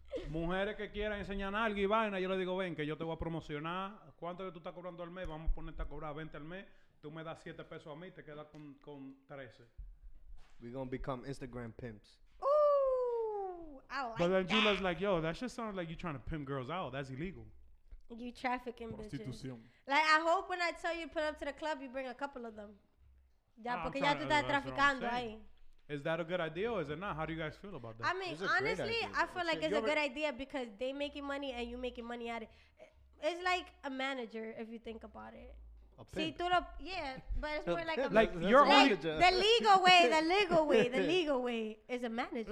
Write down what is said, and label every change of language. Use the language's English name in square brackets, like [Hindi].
[Spanish] Mujeres que quieran enseñar algo y vaina, yo le digo, ven, que yo te voy a promocionar. ¿Cuánto que tú estás cobrando al mes? Vamos a ponerte a cobrar 20 al mes. Tú me das 7 pesos a mí, te quedas con 13. [English] We're going to become Instagram pimps. Ooh, I like But then that. Gila's like, yo, that shit sounds like you're trying to pimp girls out. That's illegal. You trafficking bitches. Like, I hope when I tell you to put up to the club, you bring a couple of them. [Spanish] Ya, porque ya tú estás traficando ahí. [English] Is that a good idea or is it not? How do you guys feel about that? I mean, honestly, I feel like it's a good idea because they making money and you making money at it. It's like a manager if you think about it. See, through the, but it's more like a like your like the legal way, is a manager.